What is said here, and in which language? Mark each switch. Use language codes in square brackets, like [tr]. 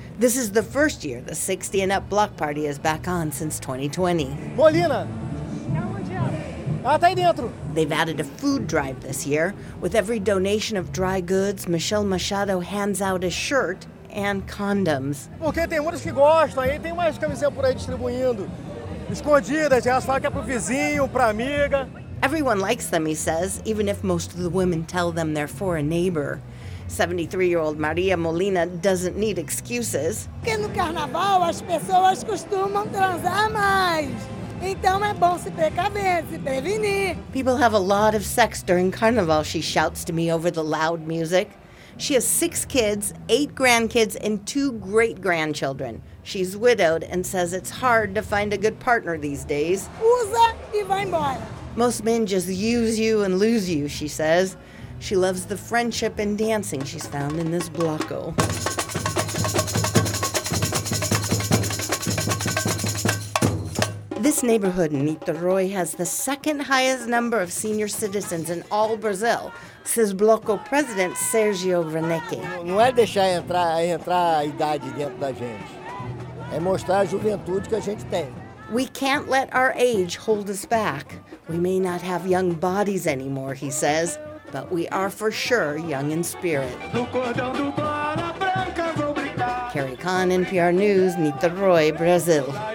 [en] This is the first year the 60 and up block party is back on since 2020. Molina! They've added a food drive this year. With every donation of dry goods, Michelle Machado hands out a shirt and condoms. [pt] Porque tem muitos que gostam, aí tem mais camisinha por aí distribuindo. Escondidas, elas falam que é pro vizinho, pra amiga. [en] Everyone likes them, he says, even if most of the women tell them they're for a neighbor. 73-year-old Maria Molina doesn't need excuses. [pt] Porque no carnaval as pessoas costumam transar mais. Então é bom se precaver, se prevenir. [en] People have a lot of sex during carnival, she shouts to me over the loud music. She has 6 kids, 8 grandkids, and 2 great-grandchildren. She's widowed and says it's hard to find a good partner these days. [pt] Usa e vai embora. [en] Most men just use you and lose you, she says. She loves the friendship and dancing she's found in this bloco. This neighborhood in Niterói has the second highest number of senior citizens in all Brazil, says Bloco president Sergio Renecke. [pt] Não é deixar entrar a idade dentro da gente. É mostrar a juventude que a gente tem. [en] We can't let our age hold us back. We may not have young bodies anymore, he says, but we are for sure young in spirit. Carrie Kahn, NPR News, Niterói, Brazil.